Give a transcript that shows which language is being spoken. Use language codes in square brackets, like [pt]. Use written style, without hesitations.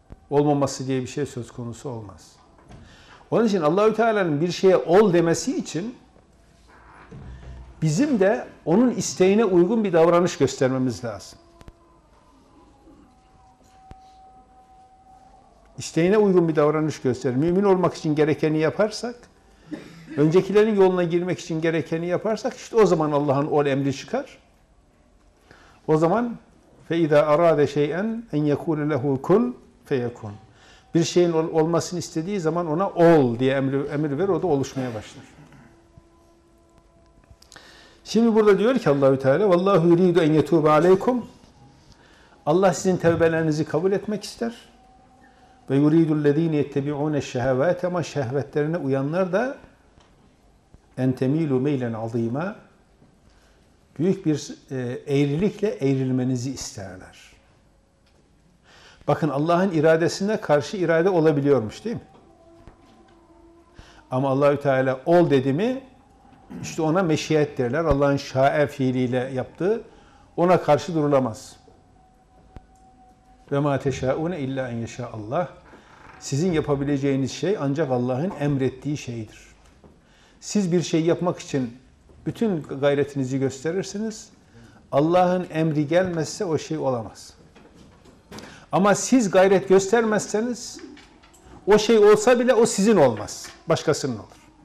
[tr] Olmaması diye bir şey söz konusu olmaz. Onun için Allah-u Teala'nın bir şeye ol demesi için bizim de onun isteğine uygun bir davranış göstermemiz lazım. İsteğine uygun bir davranış göster. Mümin olmak için gerekeni yaparsak, öncekilerin yoluna girmek için gerekeni yaparsak, işte o zaman Allah'ın ol emri çıkar. O zaman [ar] فَاِذَا اَرَادَ شَيْئًا اَنْ يَكُولَ لَهُ كُنْ فَيَكُنْ. [tr] Bir şeyin olmasını istediği zaman ona ol diye emir ver, o da oluşmaya başlar. Şimdi burada diyor ki Allah-u Teala [ar] وَاللّٰهُ يُرِيدُ اَنْ يَتُوبَ عَلَيْكُمْ. [tr] Allah sizin tevbelerinizi kabul etmek ister. [ar] وَيُرِيدُ الَّذ۪ينَ يَتَّبِعُونَ الشَّهَوَاتِ. [tr] Ama şehvetlerine uyanlar da [ar] اَنْ تَم۪يلُوا مَيْلًا عَظ۪يمًا. [tr] Büyük bir eğrilikle eğrilmenizi isterler. Bakın Allah'ın iradesine karşı irade olabiliyormuş, değil mi? Ama Allah-u Teala ol dedi mi, işte ona meşiyet derler. Allah'ın şa'e fiiliyle yaptığı, ona karşı durulamaz. [ar] وَمَا تَشَاءُونَ اِلَّا اَنْ يَشَاءَ Allah. [tr] Sizin yapabileceğiniz şey ancak Allah'ın emrettiği şeydir. Siz bir şey yapmak için bütün gayretinizi gösterirsiniz. Allah'ın emri gelmezse o şey olamaz. Ama siz gayret göstermezseniz, o şey olsa bile o sizin olmaz, başkasının olur.